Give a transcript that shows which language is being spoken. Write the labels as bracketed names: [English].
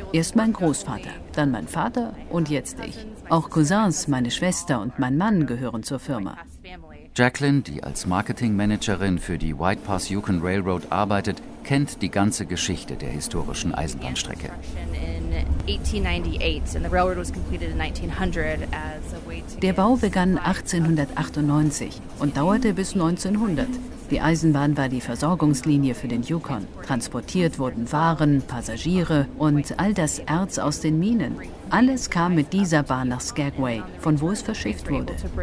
[German] Erst mein Großvater, dann mein Vater und jetzt ich. Auch Cousins, meine Schwester und mein Mann gehören zur Firma. Jacqueline, die als Marketingmanagerin für die White Pass Yukon Railroad arbeitet, kennt die ganze Geschichte der historischen Eisenbahnstrecke. [English] 1898 and the railroad was completed in 1900 as a way to [German] Der Bau begann 1898 und dauerte bis 1900. Die Eisenbahn war die Versorgungslinie für den Yukon. Transportiert wurden Waren, Passagiere und all das Erz aus den Minen. Alles kam mit dieser Bahn nach Skagway, von wo es verschifft wurde.